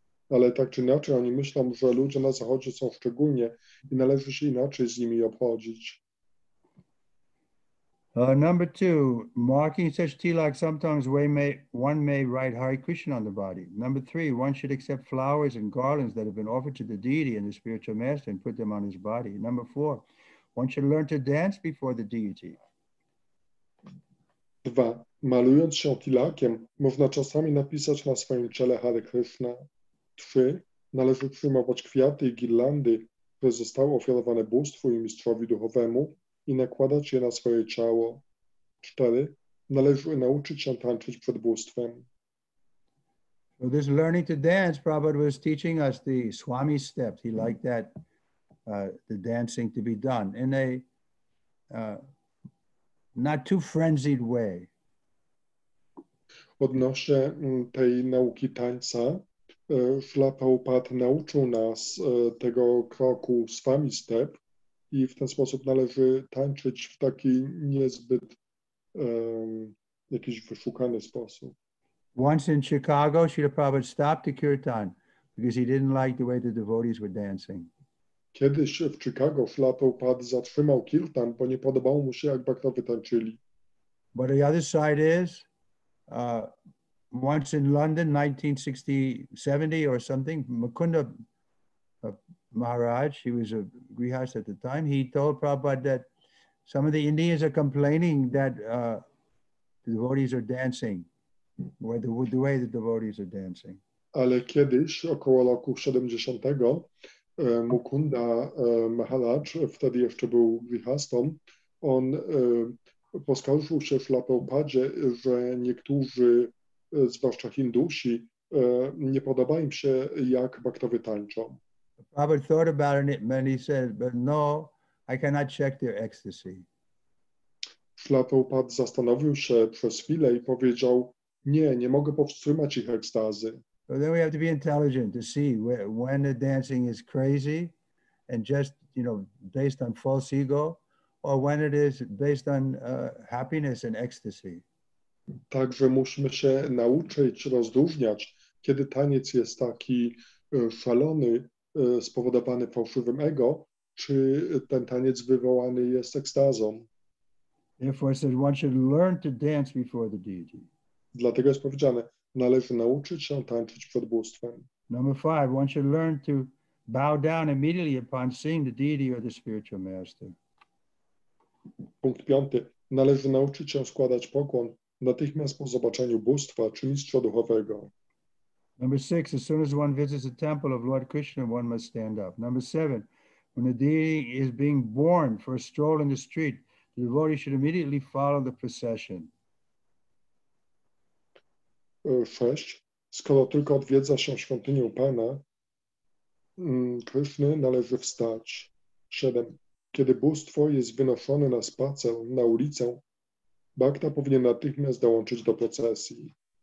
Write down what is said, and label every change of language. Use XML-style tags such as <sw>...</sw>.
<pl>Ale tak czy inaczej, oni myślą, że ludzie na Zachodzie są szczególnie i należy się inaczej z nimi obchodzić.</pl> <en>Number two, marking such tilak, sometimes one may write Hare Krishna on the body. Number three, one should accept flowers and garlands that have been offered to the deity and the spiritual master and put them on his body. Number four, one should learn to dance before the deity.</en> <pl>Dwa, malując się tilakiem, można czasami napisać na swoim czele Hare Krishna. Trzy, należy przyjmować kwiaty i girlandy, które zostały ofiarowane bóstwu i mistrzowi duchowemu, i nakładać je na swoje ciało. Cztery, należy nauczyć się tańczyć przed bóstwem.</pl> <en>So this learning to dance, Prabhupada was teaching us the Swami steps. He liked that, the dancing to be done in a not too frenzied way.</en> <pl>Odnośnie tej nauki tańca, Śla Prabhupada nauczył nas tego kroku Swami step, i w ten sposób należy tańczyć w taki niezbyt jakiś wyszukany sposób.</pl> <en>Once in Chicago, Śrīla Prabhupāda stopped the kirtan because he didn't like the way the devotees were dancing.</en> <pl>Kiedyś w Chicago Śrīla Prabhupāda zatrzymał kirtan, bo nie podobało mu się, jak bhaktowie tańczyli.</pl> <en>But the other side is, once in London, 1960, 70 or something, Mukunda Maharaj, he was a Grihastha at the time, he told Prabhupada that some of the Indians are complaining that the devotees are dancing, or the way the devotees are dancing.</en> <pl>Ale kiedyś, około roku 70, Mukunda Maharaj, wtedy jeszcze był Grihastą, on poskarżył się Prabhupadzie, że niektórzy, zwłaszcza Hindusi, nie podoba im się, jak Bhaktowie tańczą.</pl> <en>Prabhupada thought about it and he said, but no, I cannot check their ecstasy.</en> <pl>Prabhupada zastanowił się przez chwilę i powiedział, nie, nie mogę powstrzymać ich ekstazy.</pl> <en>So then we have to be intelligent to see when the dancing is crazy and just, you know, based on false ego, or when it is based on happiness and ecstasy.</en> <pl>Także musimy się nauczyć rozróżniać, kiedy taniec jest taki szalony, spowodowany fałszywym ego, czy ten taniec wywołany jest ekstazą.</pl> <en>Therefore, it says one should learn to dance before the deity.</en> <pl>Dlatego jest powiedziane, należy nauczyć się tańczyć przed bóstwem.</pl> <en>Number five, one should learn to bow down immediately upon seeing the deity or the spiritual master.</en> <pl>Punkt piąty, należy nauczyć się składać pokłon natychmiast po zobaczeniu bóstwa czy mistrza duchowego.</pl> <en>Number six, as soon as one visits the temple of Lord Krishna, one must stand up. Number seven, when a deity is being born for a stroll in the street, the devotee should immediately follow the procession.</en> <pl>Sześć, skoro tylko odwiedza się świątynię Pana, Krishna należy wstać. Siedem, kiedy bóstwo jest wynoszone na spacer, na ulicę, Bhakta powinien natychmiast dołączyć do procesji.</pl>